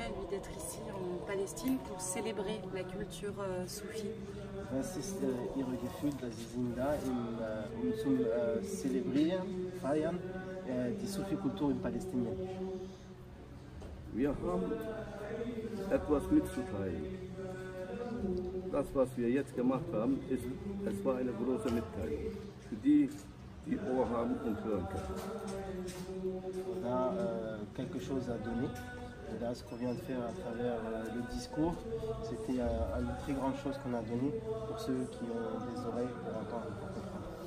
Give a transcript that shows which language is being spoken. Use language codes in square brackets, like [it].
[fr] d'être ici en Palestine pour célébrer la culture soufie? [de] Das ist ihre Gefühl, dass sie sind da, um zu celebrieren, feiern die Sufi-Kultur in Palästina. Wir haben etwas mitzuteilen. Das, was wir jetzt gemacht haben, ist, es war eine große Mitteilung für die, die Ohr haben und hören können. [fr] On a quelque chose à donner. Là, ce qu'on vient de faire à travers le discours, c'était une très grande chose qu'on a donnée pour ceux qui ont des oreilles pour entendre et pour comprendre.